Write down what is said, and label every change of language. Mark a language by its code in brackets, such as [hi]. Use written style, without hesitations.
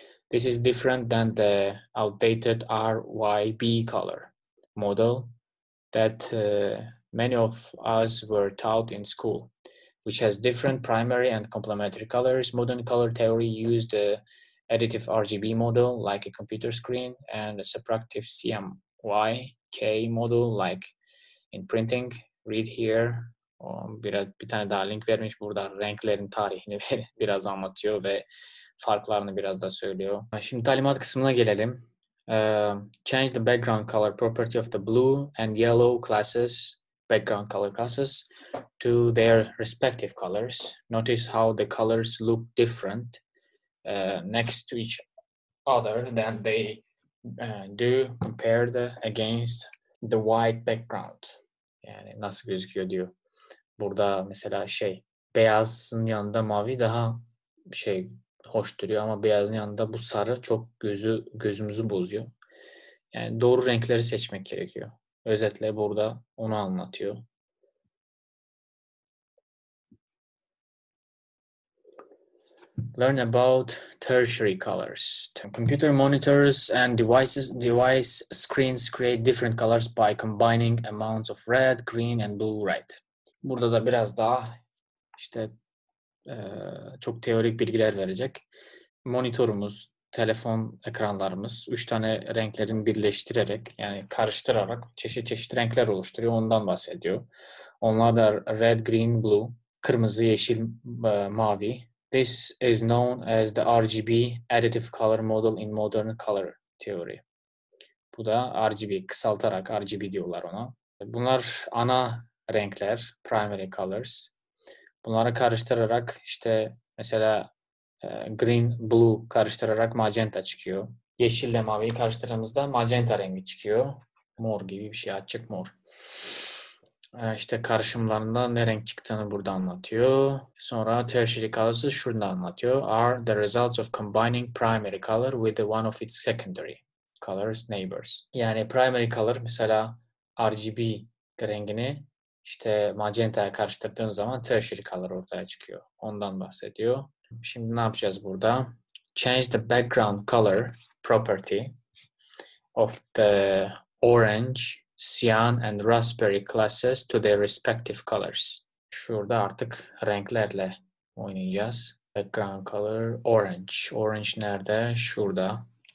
[en] This is different than the outdated RYB color model that many of us were taught in school, which has different primary and complementary colors. Modern color theory used the additive RGB model like a computer screen and a subtractive CMYK model like in printing. Read here. [tr] Bir tane daha link vermiş burada, renklerin tarihini biraz anlatıyor ve farklarını biraz da söylüyor. Şimdi talimat kısmına gelelim. [en] Change the background color property of the blue and yellow classes, background color classes, to their respective colors. Notice how the colors look different next to each other than they do compared against the white background. [tr] Yani nasıl gözüküyor diyor. Burada mesela şey, beyazın yanında mavi daha şey hoş duruyor ama beyazın yanında bu sarı çok gözümüzü bozuyor. Yani doğru renkleri seçmek gerekiyor. Özetle burada onu anlatıyor. [en] Learn about tertiary colors. Computer monitors and device screens create different colors by combining amounts of red, green and blue light. [tr] Burada da biraz daha işte çok teorik bilgiler verecek. Monitörümüz, telefon ekranlarımız 3 tane renklerin birleştirerek yani karıştırarak çeşit çeşit renkler oluşturuyor. Ondan bahsediyor. Onlar da red, green, blue, kırmızı, yeşil, mavi. [en] This is known as the RGB additive color model in modern color theory. [tr] Bu da RGB, kısaltarak RGB diyorlar ona. Bunlar ana renkler, primary colors. Bunları karıştırarak işte mesela green, blue karıştırarak magenta çıkıyor. Yeşille maviyi karıştırdığımızda magenta rengi çıkıyor. Mor gibi bir şey, açık mor. İşte karışımlarında ne renk çıktığını burada anlatıyor. Sonra tertiary colors şurada anlatıyor. [en] Are the results of combining primary color with one of its secondary colors neighbors. [tr] Yani primary color mesela RGB rengini İşte magenta'ya karıştırdığın zaman tertiary color ortaya çıkıyor. Ondan bahsediyor. Şimdi ne yapacağız burada? [en] Change the background color property of the orange, cyan and raspberry classes to their respective colors. [tr] Şurada artık renklerle oynayacağız. Background color orange. Orange nerede? Şurada.